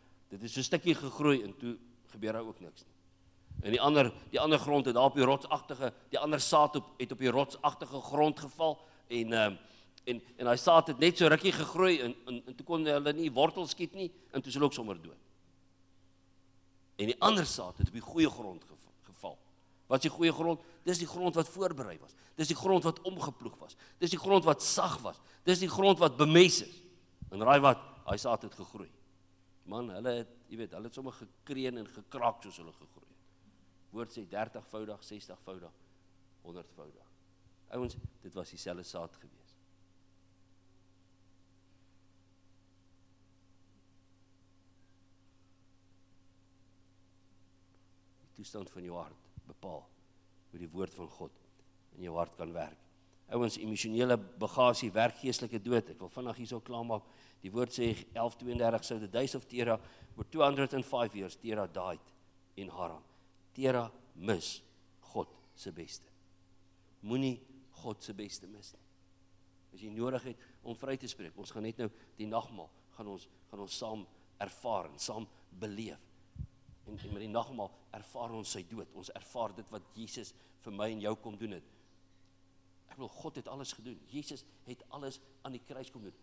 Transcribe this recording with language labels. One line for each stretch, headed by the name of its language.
Afrikaans: Dit het so 'n stukkie gegroei en toe gebeur daar ook niks nie. In die ander grond het daar op die rotsagtige, die ander saad het op die rotsagtige grond geval en daai saad het net so rukkie gegroei en toe kon hulle nie wortels skiet nie en toe is hulle ook sommer dood. En die ander saad het op die goeie grond geval Wat is die goeie grond? Dis die grond wat voorberei was. Dis die grond wat omgeploeg was. Dis die grond wat sag was. Dis die grond wat bemes is. En raai wat, hy saad het gegroei. Man, hulle het, jy weet, hulle het sommer gekreun en gekraak soos hulle gegroei het. Woord sê 30-voudig, 60-voudig, 100-voudig. Ouens, dit was dieselfde saad gewees. Die toestand van jou hart bepaal hoe die woord van God in jou hart kan werk. Ouens, emosionele bagasie werk geestelike dood. Ek wil vinnig hierso klaarmaak. Die woord sê 11:32 sou
English: the days of Tera were 205 years Tera died in Haran.
Afrikaans: Tera mis God se beste. Moenie God se beste mis nie. As jy nodig het om vry te spreek, ons gaan net nou die nagmaal gaan ons saam ervaar en saam beleef. En met die nagmaal ervaar ons sy dood. Ons ervaar dit wat Jesus vir my en jou kom doen het. Ek wil God het alles gedoen. Jesus het alles aan die kruis kom doen.